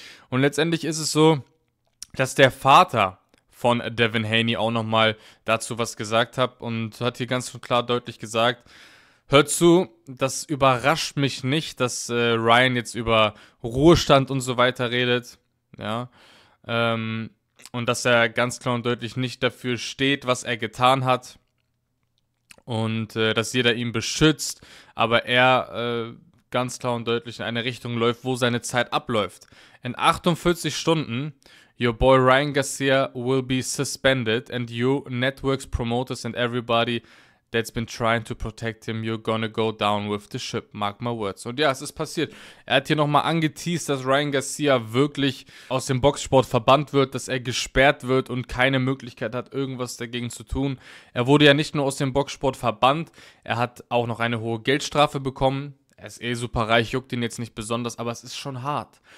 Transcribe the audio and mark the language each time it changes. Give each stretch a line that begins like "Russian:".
German: Und letztendlich ist es so, dass der Vater von Devin Haney auch nochmal dazu was gesagt hat und hat hier ganz klar deutlich gesagt, hört zu, das überrascht mich nicht, dass Ryan jetzt über Ruhestand und so weiter redet, ja, und dass er ganz klar und deutlich nicht dafür steht, was er getan hat und dass jeder ihn beschützt, aber er ganz klar und deutlich in eine Richtung läuft, wo seine Zeit abläuft. In 48 Stunden,
English: your boy Ryan Garcia will be suspended and you networks, promoters and everybody that's been trying to protect him, you're gonna go down with the ship, mark my words.
German: Und ja, es ist passiert. Er hat hier nochmal angeteased, dass Ryan Garcia wirklich aus dem Boxsport verbannt wird, dass er gesperrt wird und keine Möglichkeit hat, irgendwas dagegen zu tun. Er wurde ja nicht nur aus dem Boxsport verbannt, er hat auch noch eine hohe Geldstrafe bekommen. Er ist eh super reich, juckt ihn jetzt nicht besonders, aber es ist schon hart.